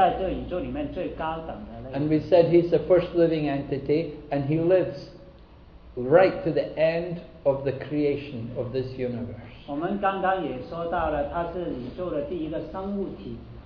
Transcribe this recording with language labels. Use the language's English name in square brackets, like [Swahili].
[Chinese] Brahma所住的这个星球呢，就叫做Brahmaloka，就在这宇宙里面最高等的那个。 [English] And we said he's the first living entity, and he lives right to the end of the creation of this universe. [Chinese] 我们刚刚也说到了，他是宇宙的第一个生物体。